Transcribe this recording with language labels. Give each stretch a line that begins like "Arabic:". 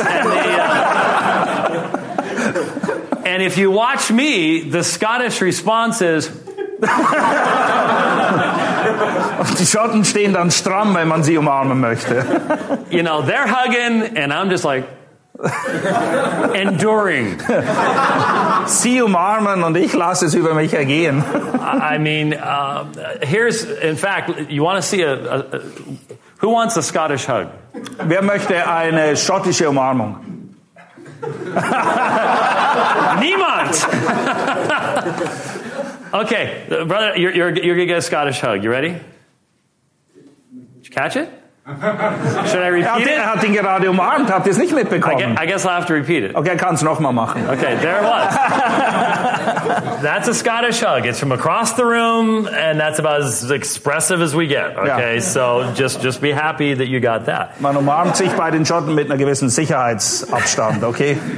English: And, and if you watch me, the Scottish response is.
German: Die Schotten stehen dann stramm, wenn man sie umarmen möchte.
English: You know, they're hugging, and I'm just like enduring.
German: Sie umarmen und ich lasse es über mich ergehen.
English: I mean, here's, in fact, you want to see a who wants a Scottish hug?
German: Wer möchte eine schottische Umarmung? Niemand.
English: Okay, brother, you're gonna get a Scottish hug. You ready? Did you catch it? Should I repeat it?
German: Er hat ihn gerade umarmt, habt ihr es nicht mitbekommen?
English: I guess I'll have to repeat it.
German: Okay, kann's noch mal machen.
English: Okay, there it was. That's a Scottish hug. It's from across the room, and that's about as expressive as we get. Okay, yeah. So just be happy that you got that.
German: Man umarmt sich bei den Schotten mit einer gewissen Sicherheitsabstand, okay?